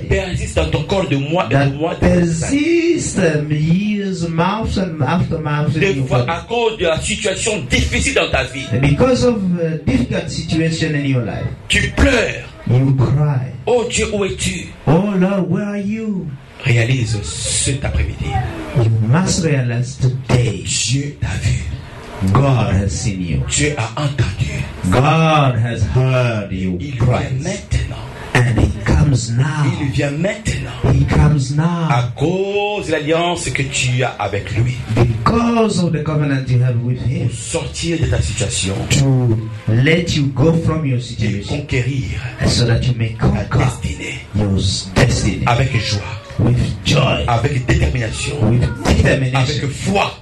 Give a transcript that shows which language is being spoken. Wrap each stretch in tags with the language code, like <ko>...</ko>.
<fr>Qui persiste dans ton corps de mois et de mois.</fr> <en>Persiste years, months and after months.</en> <fr>Des fois à cause de la situation difficile dans ta vie.</fr> <en>Because of a difficult situation in your life.</en> <fr>Tu pleures.</fr> <en>You cry.</en> <fr>Oh Dieu, où es-tu?</fr> <en>Oh Lord, where are you?</en> <fr>Réalise cet après-midi.</fr> <en>You must realize today.</en> <fr>Dieu t'a vu.</fr> <en>God has seen you.</en> <fr>Dieu a entendu.</fr> <en>God has heard you.</en> <fr>Il vient maintenant.</fr> <en>And he comes now.</en> <fr>Il vient maintenant.</fr> <en>He comes now.</en> <fr>À cause de l'alliance que tu as avec lui.</fr> <en>Because of the covenant you have with him.</en> <fr>Pour sortir de ta situation.</fr> <en>To let you go from your situation.</en> <fr>Et conquérir.</fr> <en>So that you may conquer.</en> <fr>Ta destinée.</fr> <en>Your destiny.</en> <fr>Avec joie.</fr> <en>With joy.</en> <fr>Avec détermination.</fr> <en>With determination.</en> <fr>Avec foi.</fr>